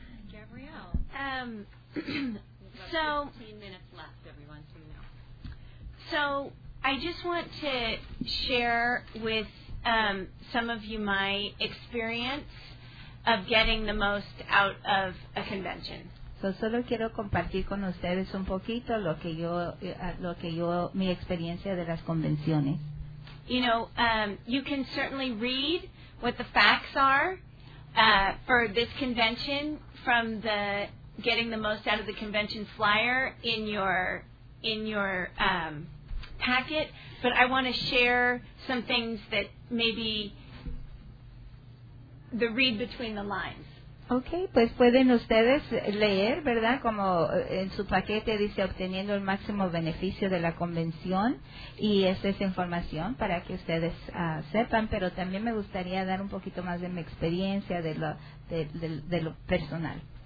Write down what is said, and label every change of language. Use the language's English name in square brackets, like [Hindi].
[English] Gabrielle. So 15 minutes left, everyone, so you know. So I just want to share with some of you my experience of getting the most out of a convention. [Spanish] So solo quiero compartir con ustedes un poquito lo que yo mi experiencia de las convenciones. [English] You know, you can certainly read what the facts are for this convention from the getting the most out of the convention flyer in your packet, but I want to share some things that maybe the read between the lines. [Spanish] Okay, pues pueden ustedes leer, ¿verdad? Como en su paquete dice, obteniendo el máximo beneficio de la convención, y esa es información para que ustedes sepan, pero también me gustaría dar un poquito más de mi experiencia de lo personal.